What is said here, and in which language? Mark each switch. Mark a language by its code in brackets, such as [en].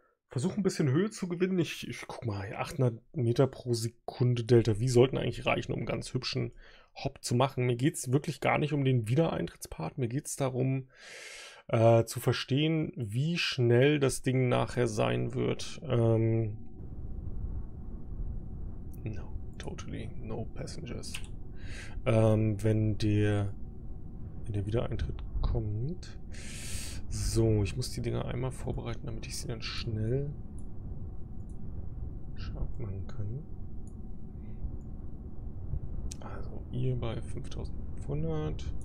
[de] Versuche ein bisschen Höhe zu gewinnen. Ich guck mal, 800 Meter pro Sekunde Delta V sollten eigentlich reichen, um einen ganz hübschen Hop zu machen. Mir geht es wirklich gar nicht um den Wiedereintrittspart. Mir geht es darum, zu verstehen, wie schnell das Ding nachher sein wird. [en] No, totally no passengers. [de] Wenn der Wiedereintritt kommt... So, ich muss die Dinger einmal vorbereiten, damit ich sie dann schnell scharf machen kann. Also, ihr bei 5500.